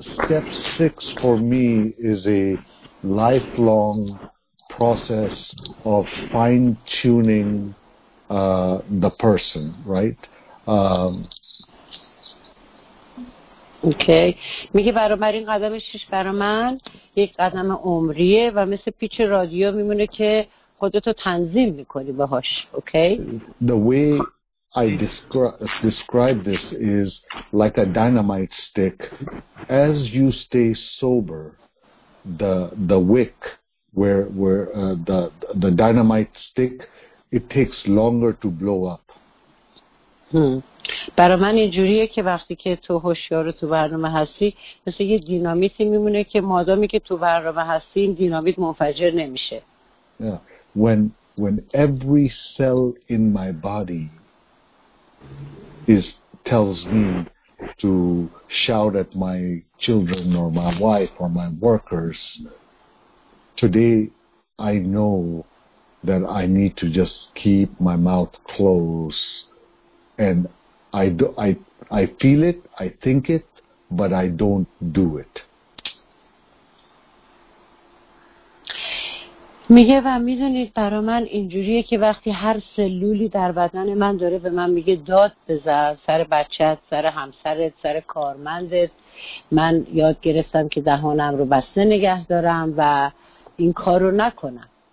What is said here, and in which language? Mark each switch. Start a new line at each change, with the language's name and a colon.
English: step six for me is a lifelong process of fine-tuning the person, right?
Persian: اوکی میگه برای من این قدم شش برای من یک قدم عمریه و مثل پیچ رادیو میمونه که خودتو تنظیم میکنی باهاش.
English: Okay the way I describe this is like a dynamite stick. As you stay sober, the wick where the dynamite stick, it takes longer to blow up.
Persian: برای من اینجوریه که وقتی که تو هوشیار تو برنامه هستی مثل یه دینامیتی میمونه که مادامی که تو برنامه هستی این دینامیت منفجر نمیشه.
English: When every cell in my body is tells me to shout at my children or my wife or my workers, today I know that I need to just keep my mouth closed. And I feel it, I think it, but I don't do it.
Persian: میگه و میدونید برای من اینجوریه که وقتی هر سلولی در بدن من داره به من میگه داد بزن سر بچت، سر همسرت، سر کارمندت، من یاد گرفتم که دهانم رو بسته نگه دارم و این کار رو نکنم.